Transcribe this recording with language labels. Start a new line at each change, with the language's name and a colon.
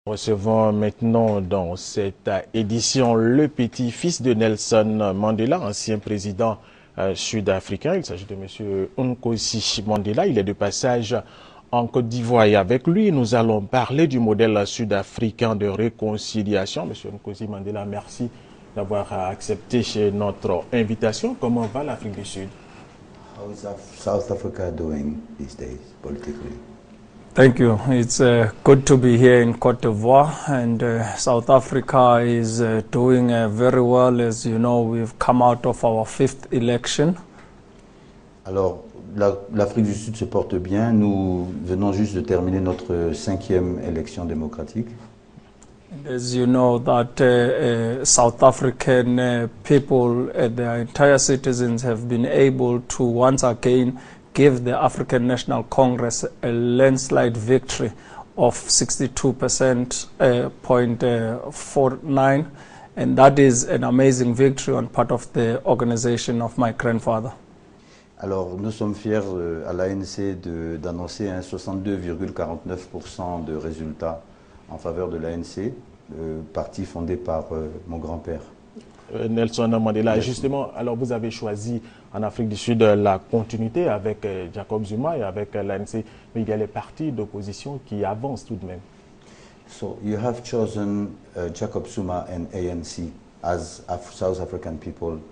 French: Recevons maintenant dans cette édition le petit-fils de Nelson Mandela, ancien président sud-africain. Il s'agit de Monsieur Nkosi Mandela. Il est de passage en Côte d'Ivoire. Et avec lui, nous allons parler du modèle sud-africain de réconciliation. Monsieur Nkosi Mandela, merci d'avoir accepté notre invitation. Comment va l'Afrique du Sud?
English: How is South Africa doing these days politically? Thank you. It's good to be here in Côte d'Ivoire, and South Africa is doing very well. As you know, we've come out of our fifth election.
French: Alors, l'Afrique du Sud se porte bien. Nous venons juste de terminer notre cinquième élection démocratique.
English: As you know, that South African people, their entire citizens, have been able to once again give the African National Congress a landslide victory of 62% 49, and that is an amazing victory on part of the organization of my grandfather.
French: Alors, nous sommes fiers à l'ANC d'annoncer un 62,49% de résultats en faveur de l'ANC, le parti fondé par mon grand-père. Nelson Mandela, justement, alors vous avez choisi en Afrique du Sud la continuité avec Jacob Zuma et avec l'ANC, mais il y a les partis d'opposition qui avancent tout de même.
English: So you have chosen Jacob Zuma and ANC as Af South African people.